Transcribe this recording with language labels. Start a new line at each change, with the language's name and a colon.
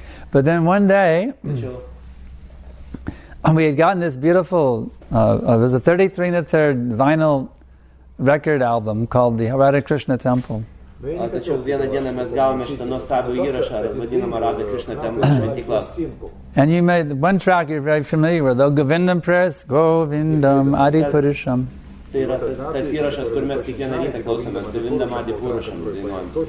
English: But then one day, we had gotten this beautiful, it was a 33 and a third vinyl record album called the Radha Krishna Temple.
Lithuanian: Tačiau vieną dieną mes gavome šitą nuostabų įrašą, vadinamą Radha Krishna Temple šventyklą.
English: And you made one track you're very familiar with, the Govindam Prayers, Govindam Adi Purusham.
Lithuanian: Tai yra tas įrašas, kur mes kiekvieną rytą klausomės, Govindam Adi Purusham.